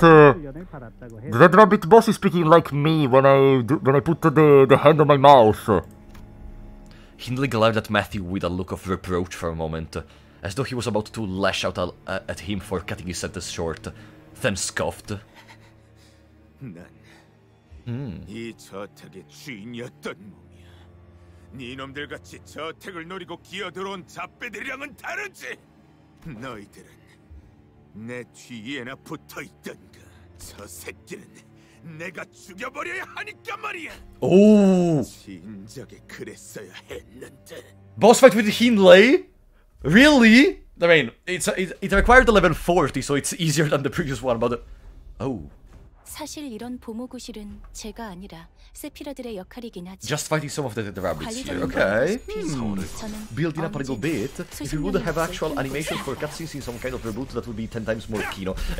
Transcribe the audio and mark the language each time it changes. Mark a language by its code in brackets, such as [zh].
[en] the Red Rabbit boss is speaking like me when I put the hand on my mouth. Hindley glared at Matthew with a look of reproach for a moment, as though he was about to lash out at him for cutting his sentence short, then scoffed. [ko] I 저택의 주인이었던 몸이야. 니놈들 같이 저택을 노리고 기어들어온 잡배들이랑은 다르지. 너희들은 내 뒤에나 붙어 있던가. 저 새끼는 내가 죽여버려야 하니까 말이야. 오. 진작에 그랬어야 했는데. [en] Boss fight with Hindley. Really? I mean, it required 1140, so it's easier than the previous one, but... Oh. [ko] 사실 이런 보모구실은 제가 아니라 세피라들의 역할이긴 하지. [en] Just fighting some of the rabbits here, okay. Building up a little bit. If you would have actual animation for cutscenes in some kind of reboot, that would be 10 times more kino.